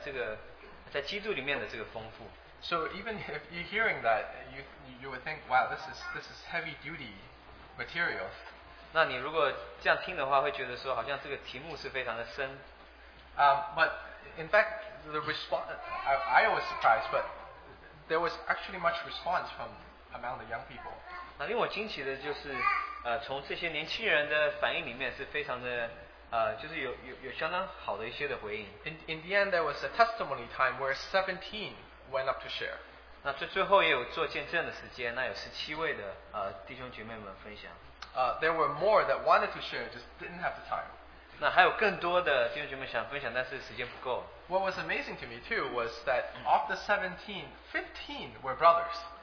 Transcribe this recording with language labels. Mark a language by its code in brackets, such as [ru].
[zh] 那更深的就是说，在基督里面的这个丰富。 [en] So even if you're hearing that, you would think, wow, this is heavy duty material. [zh] 那你如果这样听的话，会觉得说好像这个题目是非常的深。 [en] But in fact, the response, I was surprised, but there was actually much response from among the young people. [zh] 那令我惊奇的就是，从这些年轻人的反应里面是非常的，就是有相当好的一些的回应。 [en] In the end, there was a testimony time where 17 went up to share. [zh] 那最后也有做见证的时间，那有17位的弟兄姐妹们分享。 [en] There were more that wanted to share, just didn't have the time. [zh] 那还有更多的弟兄姐妹想分享，但是时间不够。 [en] What was amazing to me too was that of the 17, 15 were brothers.